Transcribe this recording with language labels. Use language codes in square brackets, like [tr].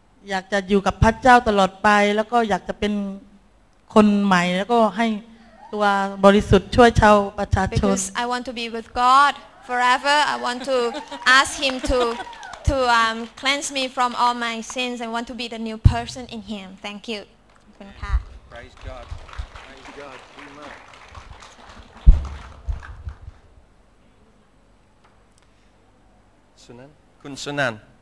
[th] อยากจะอยู่กับพระเจ้าตลอดไปแล้วก็อยากจะเป็นคนใหม่แล้วก็ให้ตัวบริสุทธิ์ช่วยชาวประชาชน [en] Because I want to be with God forever I want to ask him to cleanse me from all my sins and want to be the new person in him thank you [th] คุณค่ะ [en] praise god praise god amen sunan คุณสุนัน